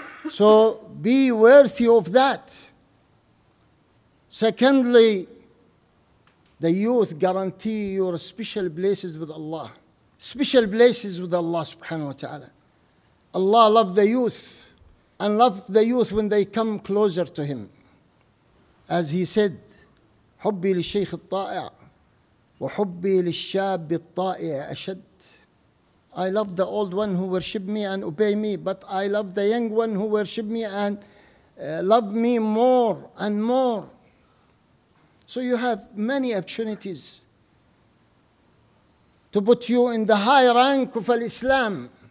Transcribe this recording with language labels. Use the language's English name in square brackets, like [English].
[English] So be worthy of that. Secondly, the youth guarantee your special places with Allah. Special places with Allah subhanahu wa ta'ala. Allah loves the youth and loves the youth when they come closer to Him. As He said, [Arabic] حبي للشيخ الطائع وحبي للشاب الطائع أشد. [English] I love the old one who worship me and obey me, but I love the young one who worship me and love me more and more. So you have many opportunities to put you in the high rank of Islam,